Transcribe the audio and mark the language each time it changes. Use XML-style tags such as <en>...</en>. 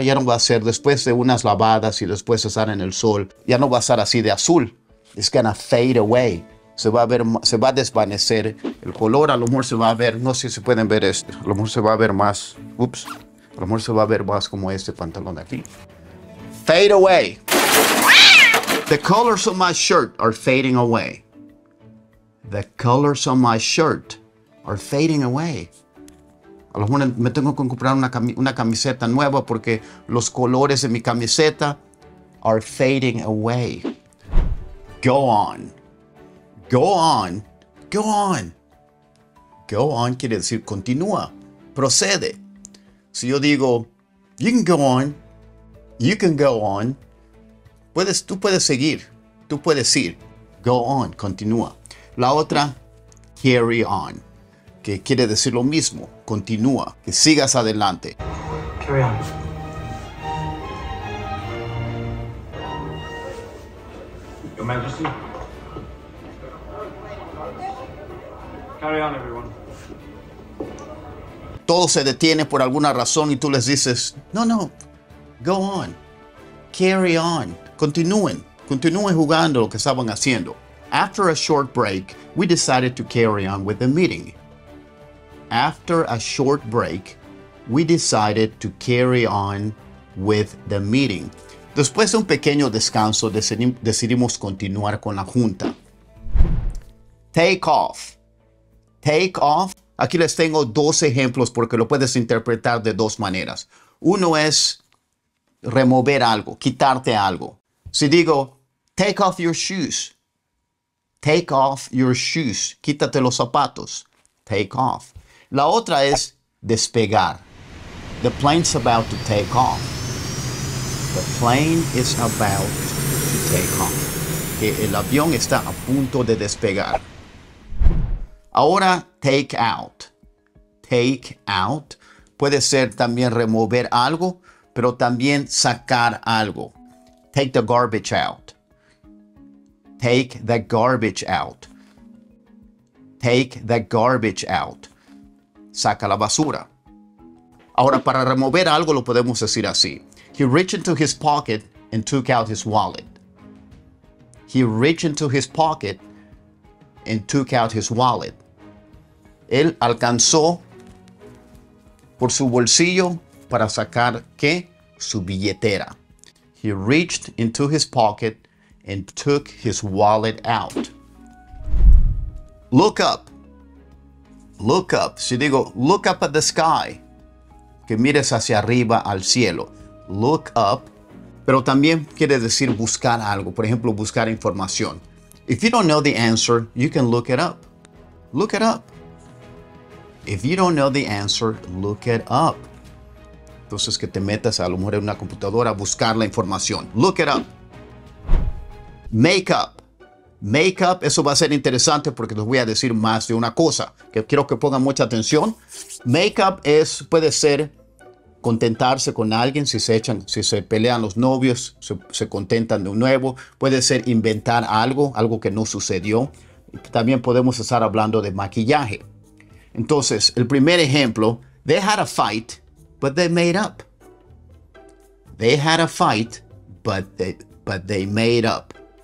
<es>Ya no va a ser después de unas lavadas y después de estar en el sol. Ya no va a estar así de azul.</es> <en>It's gonna fade away.</en> <es>Se va a ver, se va a desvanecer el color. A lo mejor se va a ver, no sé si se pueden ver esto. A lo mejor se va a ver más, ups. A lo mejor se va a ver más como este pantalón de aquí.</es> <en>Fade away. The colors of my shirt are fading away. The colors of my shirt are fading away.</en> <es>A lo mejor me tengo que comprar una camiseta nueva porque los colores de mi camiseta</es> <en>are fading away. Go on. Go on. Go on. Go on</en> <es>quiere decir continúa. Procede. Si yo digo,</es> <en>you can go on. You can go on.</en> <es>Puedes, tú puedes seguir. Tú puedes ir. Go on. Continúa. La otra, carry on. Que quiere decir lo mismo. Continúa. Que sigas adelante.</es> <en>Carry on. Your Majesty. Carry on, everyone.</en> <es>Todo se detiene por alguna razón y tú les dices, no, no, go on. Carry on. Continúen. Continúen jugando lo que estaban haciendo.</es> <en>After a short break, we decided to carry on with the meeting. After a short break, we decided to carry on with the meeting.</en> <es>Después de un pequeño descanso, decidimos continuar con la junta. Take off. Take off. Aquí les tengo dos ejemplos porque lo puedes interpretar de dos maneras. Uno es remover algo, quitarte algo. Si digo,</es> <en>take off your shoes. Take off your shoes.</en> <es>Quítate los zapatos. Take off. La otra es despegar.</es> <en>The plane's about to take off. The plane is about to take off.</en> <es>Que el avión está a punto de despegar. Ahora, take out. Take out. Puede ser también remover algo, pero también sacar algo.</es> <en>Take the garbage out. Take the garbage out. Take the garbage out.</en> <es>Saca la basura. Ahora, para remover algo, lo podemos decir así.</es> <en>He reached into his pocket and took out his wallet. He reached into his pocket and took out his wallet.</en> <es>Él alcanzó por su bolsillo para sacar, ¿qué? Su billetera.</es> <en>He reached into his pocket and took his wallet out. Look up. Look up.</en> <es>Si digo,</es> <en>look up at the sky.</en> <es>Que mires hacia arriba al cielo. Look up. Pero también quiere decir buscar algo. Por ejemplo, buscar información.</es> <en>If you don't know the answer, you can look it up. Look it up. If you don't know the answer, look it up.</en> <es>Entonces que te metas a lo mejor en una computadora a buscar la información. Look it up. Make up. Make up, eso va a ser interesante porque les voy a decir más de una cosa que quiero que pongan mucha atención. Make up es, puede ser contentarse con alguien si se echan, si se pelean los novios, se contentan de un nuevo. Puede ser inventar algo, algo que no sucedió. También podemos estar hablando de maquillaje. Entonces, el primer ejemplo,</es> <en>they had a fight, but they made up. They had a fight, but they made up.</en>